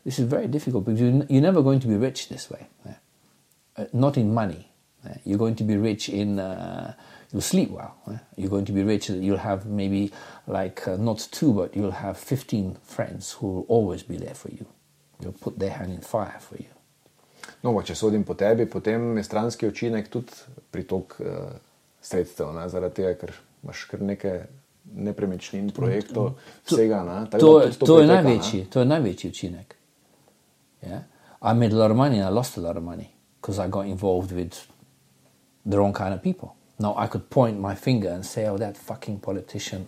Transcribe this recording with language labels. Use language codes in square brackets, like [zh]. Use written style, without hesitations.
[en] This is very difficult because you're never going to be rich this way. Yeah. Not in money. You're going to be rich in, you'll sleep well. You're going to be rich, you'll have maybe like not two, but you'll have 15 friends who will always be there for you. They'll put their hand in fire for you. [sl] No, pa če sodim po tebi, potem je stranski učinek tudi pritok sredstev, ne, zaradi tega, ker imaš kar neke nepremičnin, projektov, vsega. Ne, to je največji učinek. [en] Yeah? I made a lot of money and I lost a lot of money because I got involved with the wrong kind of people. Now I could point my finger and say, "Oh, that fucking politician!